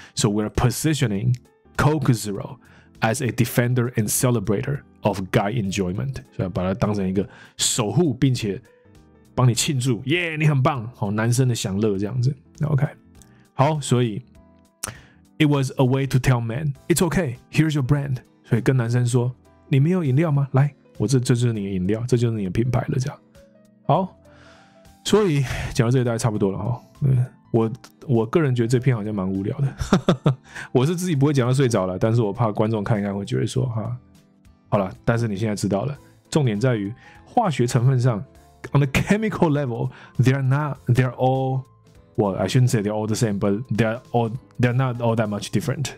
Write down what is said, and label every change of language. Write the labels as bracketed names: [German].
[English] So we're positioning Coke Zero as a defender and celebrator of guy enjoyment. [Chinese] 所以把它当成一个守护，并且帮你庆祝，耶、yeah, ，你很棒，好，男生的享乐这样子。 OK, 好，所以。 [English] It was a way to tell men, it's okay, here's your brand. [Chinese] 所以跟男生说，你没有饮料吗？来，我 这就是你的饮料，这就是你的品牌了，这样。好，所以讲到这里大概差不多了齁。我个人觉得这篇好像蛮无聊的。我是自己不会讲到睡着了，但是我怕观众看一看会觉得说，哈，好了，但是你现在知道了。重点在于化学成分上 [English] ,on the chemical level, they're all,Well, I shouldn't say they're all the same, but they're not all that much different.